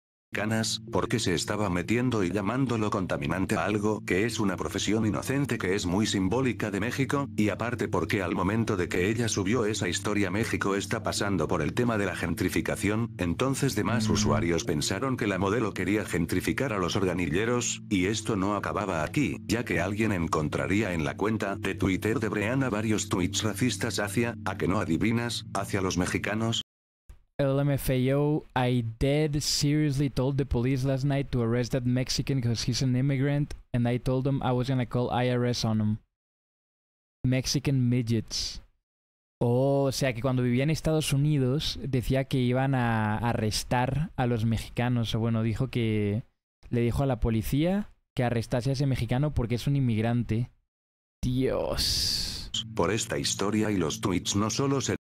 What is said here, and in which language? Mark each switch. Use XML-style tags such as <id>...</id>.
<es>Canas, porque se estaba metiendo y llamándolo contaminante a algo que es una profesión inocente que es muy simbólica de México, y aparte porque al momento de que ella subió esa historia México está pasando por el tema de la gentrificación, entonces demás usuarios pensaron que la modelo quería gentrificar a los organilleros, y esto no acababa aquí, ya que alguien encontraría en la cuenta de Twitter de Brianna varios tweets racistas hacia, a que no adivinas, hacia los mexicanos.</es> <en>LMFAO, I dead seriously told the police last night to arrest that Mexican because he's an immigrant, and I told them I was gonna call IRS on him. Mexican midgets.</en> <es>Oh, o sea que cuando vivía en Estados Unidos, decía que iban a arrestar a los mexicanos. O bueno, dijo que... Le dijo a la policía que arrestase a ese mexicano porque es un inmigrante. Dios. Por esta historia y los tweets no solo se...</es>